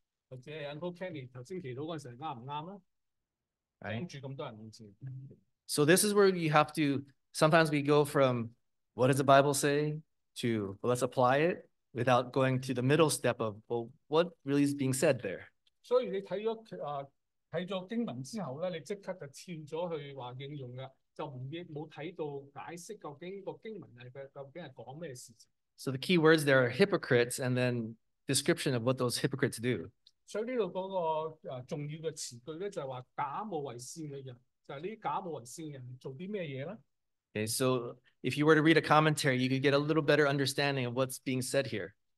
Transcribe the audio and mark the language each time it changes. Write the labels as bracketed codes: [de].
[en] Or is [yue] Uncle Kenny 头先祈祷嗰阵时啱唔啱咧？挡住咁多人面前。 [en] So this is where you have to. Sometimes we go from what does the Bible say to well, let's apply it without going to the middle step of well, what really is being said there. [yue] 所以你睇咗经文之后咧，你即刻就跳咗去话应用嘅，就冇睇到解释究竟个经文系究竟系讲咩事情。 [en] So the key words there are hypocrites and then description of what those hypocrites do. So this is the important word, is that it's called假冒为善的人. So these 假冒为善的人 do what? Okay, so if you were to read a commentary, you could get a little better understanding of what's being said here.